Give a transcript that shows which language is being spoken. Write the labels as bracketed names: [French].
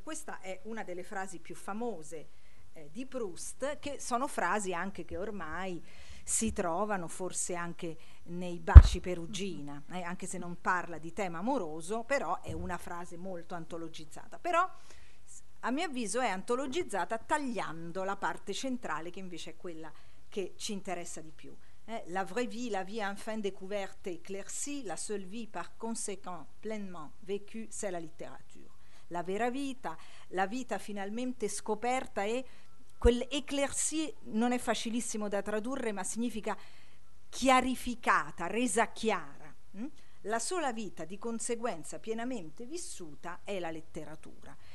[Italian] Questa è una delle frasi più famose, di Proust, che sono frasi anche che ormai si trovano forse anche nei Baci Perugina, anche se non parla di tema amoroso, però è una frase molto antologizzata. Però, a mio avviso, è antologizzata tagliando la parte centrale, che invece è quella che ci interessa di più. [French] La vraie vie, la vie enfin découverte, éclaircie, la seule vie par conséquent pleinement vécue, c'est la littérature. [Italian] La vera vita, la vita finalmente scoperta e quell'éclaircie non è facilissimo da tradurre, ma significa chiarificata, resa chiara. La sola vita, di conseguenza, pienamente vissuta è la letteratura.